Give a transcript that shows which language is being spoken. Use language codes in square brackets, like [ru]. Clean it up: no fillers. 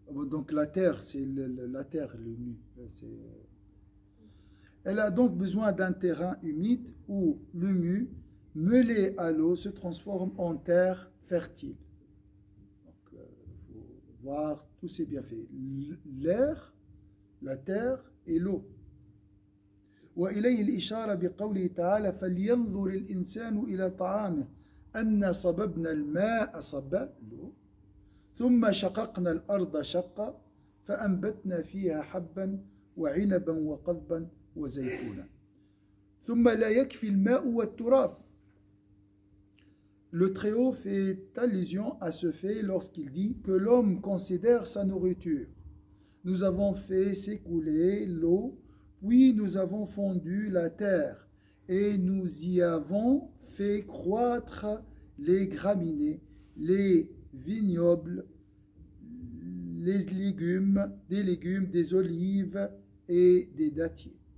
[fr] Donc la terre, c'est la terre, le mu. Elle a donc besoin d'un terrain humide où le mu, mêlé à l'eau, se transforme en terre fertile. Donc il faut voir tous ces bienfaits. L'air, la terre et l'eau. [ar] وإليه الإشارة بقوله تعالى فلينظر الإنسان إلى طعامه أن صببنا الماء صبا ثم شققنا الأرض شقا فأنبتنا فيها حبا وعنبا وقضبا وزيتونا ثم لا يكفي الماء والتراب. [fr] Le Très-Haut fait allusion à ce fait lorsqu'il dit que l'homme considère sa nourriture. Nous avons fait s'écouler l'eau, puis nous avons fondu la terre et nous y avons fait croître les graminées, les vignobles, les légumes, des légumes, des olives et des dattiers.